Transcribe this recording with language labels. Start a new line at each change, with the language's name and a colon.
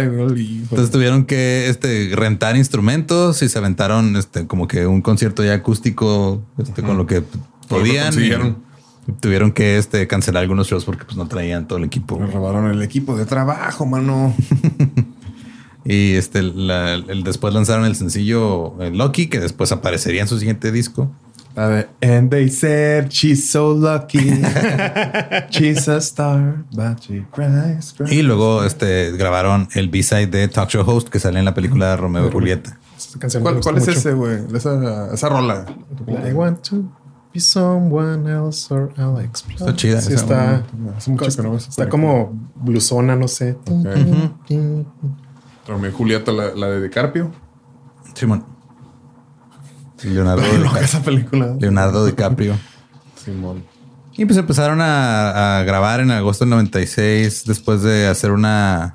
Spanish: Entonces tuvieron que rentar instrumentos y se aventaron como que un concierto ya acústico con lo que podían. Lo consiguieron. Tuvieron que cancelar algunos shows porque pues no traían todo el equipo. Me robaron el equipo de trabajo, mano. Y después lanzaron el sencillo Lucky, que después aparecería en su siguiente disco. A ver,
English: and they said she's so lucky, she's a star, but she cries.
Spanish: Y luego grabaron el B-side de Talk Show Host, que sale en la película de Romeo y Julieta. ¿Cuál es ese, güey? Esa rola.
English: I want to be someone else or I'll explode.
Spanish: Está chida. Sí, está como bluesona, no sé. Okay. Romeo y Julieta, la de DiCaprio. Simón. Leonardo esa película. Leonardo DiCaprio. Simón. Y pues empezaron a grabar en agosto del 96, después de hacer una...